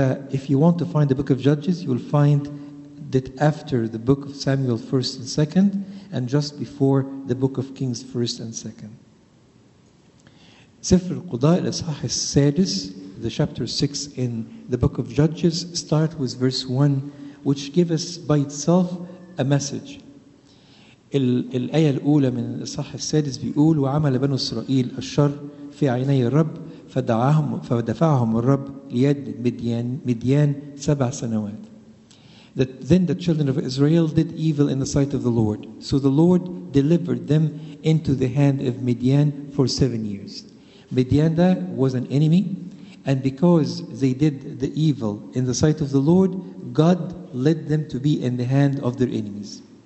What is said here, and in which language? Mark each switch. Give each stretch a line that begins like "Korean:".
English: If you want to find the book of Judges, you'll find that after the book of Samuel 1st and 2nd and just before the book of Kings 1st and 2nd.
Arabic: سفر القضاء الإصحاح السادس,
English: the chapter 6 in the book of Judges, start with verse 1, which gives us by itself a message.
Arabic: الآية الأولى من الإصحاح السادس بيقول وعمل بنو إسرائيل الشر في عيني الرب فدفعهم الرب ليد مديان 7 سنوات.
English: That then the children of Israel did evil in the sight of the Lord. So the Lord delivered them into the hand of Midian for 7 years. Midian was an enemy, and because they did the evil in the sight of the Lord, God led them to be in the hand of their enemies.